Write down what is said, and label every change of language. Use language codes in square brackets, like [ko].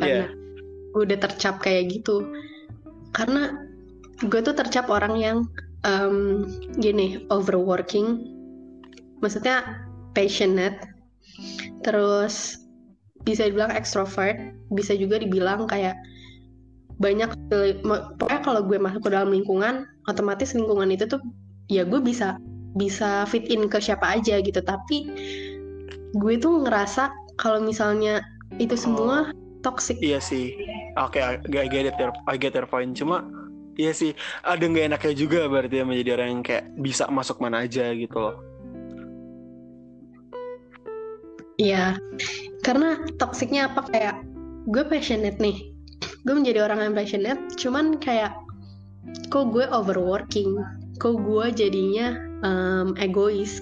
[id] karena gue udah tercap kayak gitu. Karena gue tuh tercap orang yang gini, overworking, maksudnya passionate, terus bisa dibilang extrovert, bisa juga dibilang kayak banyak. Pokoknya kalau gue masuk ke dalam lingkungan, otomatis lingkungan itu tuh ya gue bisa bisa fit in ke siapa aja gitu. Tapi gue tuh ngerasa kalau misalnya itu semua Oh, [en] toxic. [id] iya sih. [en] Oke, okay, I get your point. [id] Cuma iya sih, ada nggak enaknya juga berarti ya menjadi orang yang kayak bisa masuk mana aja gitu loh. Iya, karena toxicnya apa, kayak gue passionate nih, gue menjadi orang yang passionate, cuman kayak kok gue overworking, kok gue jadinya egois.